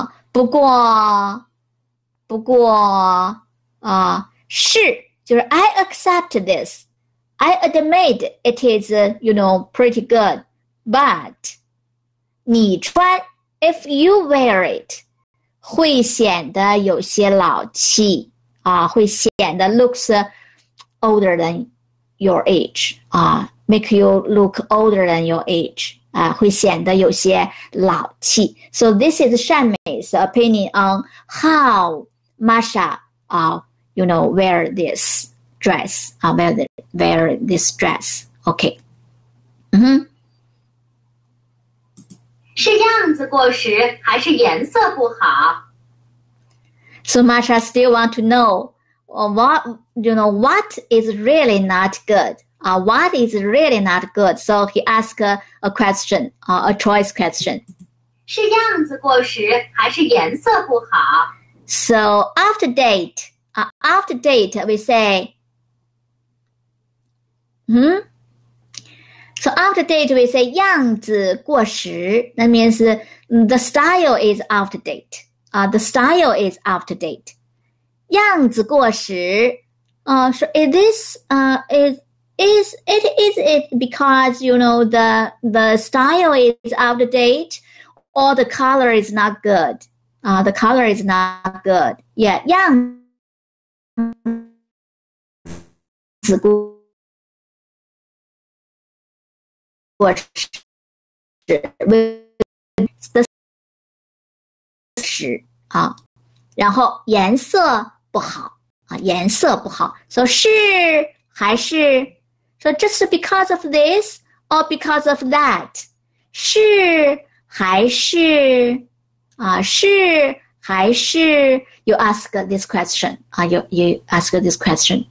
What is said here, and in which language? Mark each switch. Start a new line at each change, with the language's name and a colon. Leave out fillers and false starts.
Chinese: 不过，不过，是，就是
English: I accept this, I admit it is, you know, pretty good, but
Chinese: 你穿
English: if you wear it,
Chinese: 会显得有些老气啊，会显得
English: looks older than your age, make you look older than your age.
Chinese: 会显得有些老气。
English: So this is Shan Mei's opinion on how Masha, you know, wear this dress, wear this dress. Okay.
Chinese: 是样子过时还是颜色不好？
English: So Masha still want to know, what, you know, what is really not good? What is really not good? So he asked a question, a choice question.
Chinese: 是样子过时还是颜色不好?
English: So after date, we say, So after date, we say
Chinese: 样子过时.
English: That means the style is after date. The style is after date.
Chinese: 样子过时.
English: So is this, Is it because, you know, the style is out of date or the color is not good? The color is not good. Yeah.
Chinese: 样子过时 然后颜色不好, 颜色不好.
English: So
Chinese: 是还是
English: So just because of this or because of that,
Chinese: 是还是啊是还是
English: you ask this question, you ask this question.